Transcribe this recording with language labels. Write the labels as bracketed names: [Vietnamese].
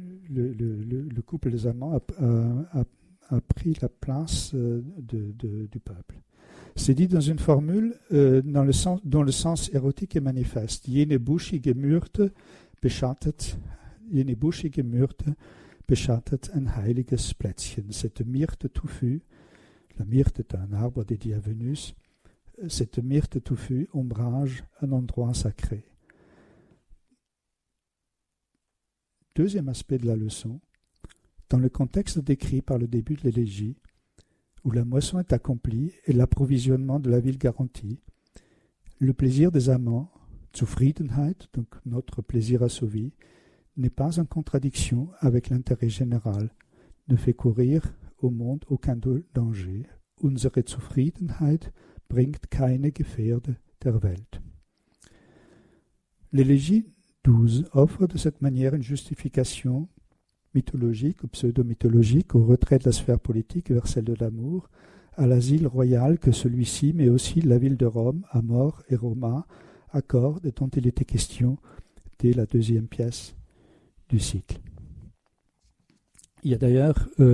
[French] le couple des amants a pris la place du peuple. C'est dit dans une formule dont le sens érotique est manifeste. [German] « Jene Buschi gemürte beschattet » Jene buschige Myrte beschattet ein heiliges Plätzchen. [French] Cette myrte touffue, la myrte est un arbre dédié à Vénus, cette myrte touffue ombrage un endroit sacré. Deuxième aspect de la leçon, dans le contexte décrit par le début de l'élégie, où la moisson est accomplie et l'approvisionnement de la ville garanti, le plaisir des amants, Zufriedenheit, donc notre plaisir assouvi, n'est pas en contradiction avec l'intérêt général, ne fait courir au monde aucun danger. [German] Unsere Zufriedenheit bringt keine Gefährde der Welt. [French] L'élégie 12 offre de cette manière une justification mythologique ou pseudo-mythologique au retrait de la sphère politique vers celle de l'amour, à l'asile royal que celui-ci, mais aussi la ville de Rome, Amor et Roma, accordent et dont il était question dès la deuxième pièce du cycle. Il y a d'ailleurs